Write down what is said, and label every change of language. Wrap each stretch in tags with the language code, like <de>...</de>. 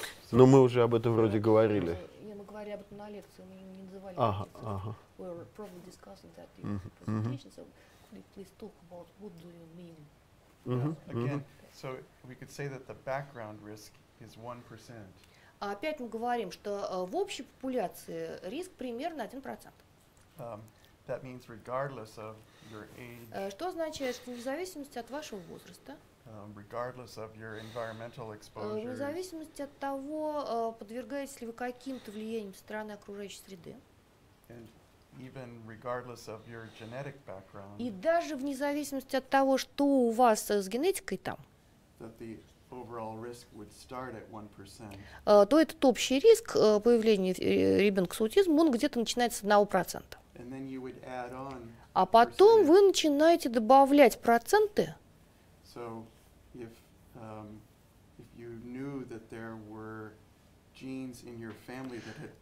<ru>Но мы уже об этом вроде говорили. Мы говорили об этом на лекции, мы не называли. Ага.</ru> <en>We were probably discussing that in the presentation, so could you please talk about what do you mean? Again, so we could say that the background risk is 1%.</en> <ru>Опять мы говорим, что в общей популяции риск примерно 1%.</ru> <en>That means regardless of your age.</en> <ru>Что означает, что вне зависимости от вашего возраста,</ru> <en>regardless of your environmental exposure,</en> <ru>вне зависимости от того, подвергаетесь ли вы каким-то влияниям со стороны окружающей среды,</ru> <en>and even regardless of your genetic background,</en> <ru>и даже вне зависимости от того, что у вас с генетикой там,</ru> <en>that the overall risk would start at 1%.</en> <ru>То этот общий риск появления ребенка с аутизмом, он где-то начинается с 1%.</ru> <en>And then you would add on,</en> <ru>а потом вы начинаете добавлять проценты.</ru> <en>So if, if you knew that there were genes in your family that had,</en>